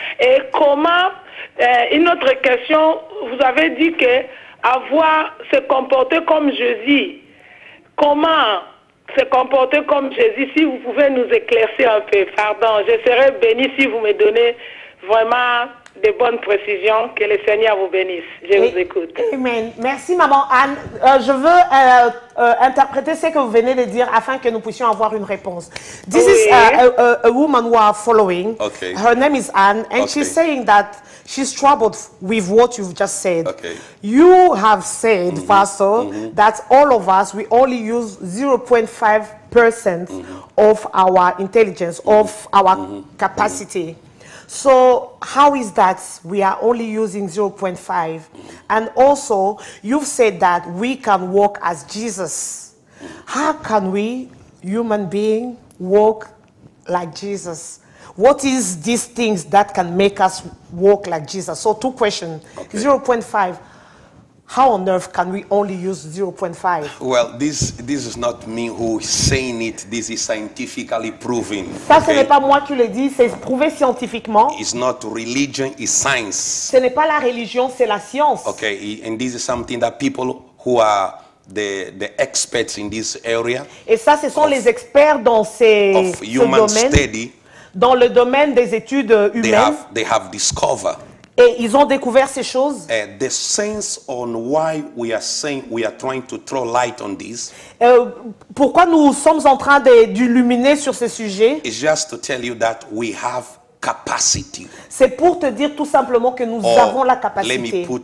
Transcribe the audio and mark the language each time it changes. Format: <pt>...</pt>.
<fr>Et comment, une autre question, vous avez dit que avoir se comporter comme Jésus, comment se comporter comme Jésus, si vous pouvez nous éclaircir un peu. Pardon, je serai béni si vous me donnez vraiment de bonnes précisions. Que le Seigneur vous bénisse. Je vous écoute. Amen. Merci, maman Anne. Je veux interpréter ce que vous venez de dire afin que nous puissions avoir une réponse.</fr> <en>This oui. is a woman who are following. Okay. Her name is Anne, and okay. she's saying that she's troubled with what you've just said. Okay. You have said, Pastor, mm-hmm. mm-hmm. that all of us, we only use 0.5% mm-hmm. of our intelligence, mm-hmm. of our mm-hmm. capacity. Mm-hmm. So how is that we are only using 0.5? Mm-hmm. And also, you've said that we can walk as Jesus. How can we, human being, walk like Jesus? What is these things that can make us walk like Jesus? So two questions. Okay. 0.5. How on earth can we only use 0.5? Well, this is not me who is saying it. This is scientifically proven.</en> <fr>Ça, okay? Ce n'est pas moi qui le dis. C'est prouvé scientifiquement.</fr> <en>It's not religion. It's science.</en> <fr>Ce n'est pas la religion. C'est la science.</fr> <en>Okay, and this is something that people who are the experts in this area.</en> <fr>Et ça, ce sont les experts dans ces</fr> <en>of human</en> <fr>ce domaine.</fr> <en>Study.</en> <fr>Dans le domaine des études humaines,</fr> <en>they have discovered.</en> <fr>Et ils ont découvert ces choses.</fr> <en>The sense on why we are saying we are trying to throw light on this.</en> <fr>Pourquoi nous sommes en train d'illuminer sur ce sujet?</fr> <en>It's just to tell you that we have capacity.</en> <fr>C'est pour te dire tout simplement que nous avons la capacité.</fr>